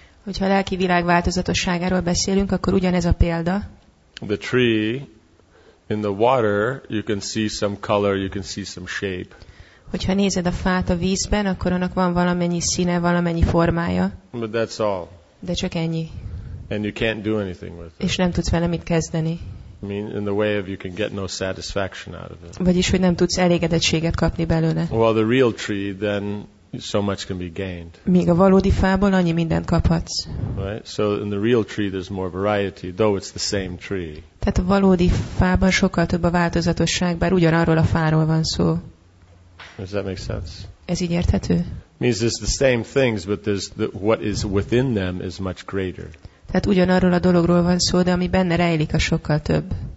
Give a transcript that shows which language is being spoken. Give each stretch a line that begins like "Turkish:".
Hungarian: Hogyha a lelki világ változatosságáról beszélünk, akkor ugyanez a példa.
English: The tree in the water, you can see some color, you can see some shape.
Hungarian: Hogyha nézed a fát a vízben, akkor annak van valamennyi színe, valamennyi formája.
English: But that's all.
Hungarian: De csak ennyi.
English: And you can't do anything with it.
Hungarian: És nem tudsz vele mit kezdeni.
English: I mean, in the way of you can get no satisfaction out of it.
Hungarian: Vagyis, hogy nem tudsz elégedettséget kapni belőle.
English: Well, the real tree, then so much can be gained.
Hungarian: Míg a valódi fából annyi mindent kaphatsz.
English: Right? So in the real tree there's more variety, though it's the same tree.
Hungarian: Tehát a valódi fában sokkal több a változatosság, bár ugyanarról a fáról van szó.
English: Does that make sense?
Hungarian: Ez így érthető?
English: Means it's the same things, but there's what is within them is much greater.
Hungarian: Tehát ugyanarról a dologról van szó, de ami benne rejlik, a sokkal több.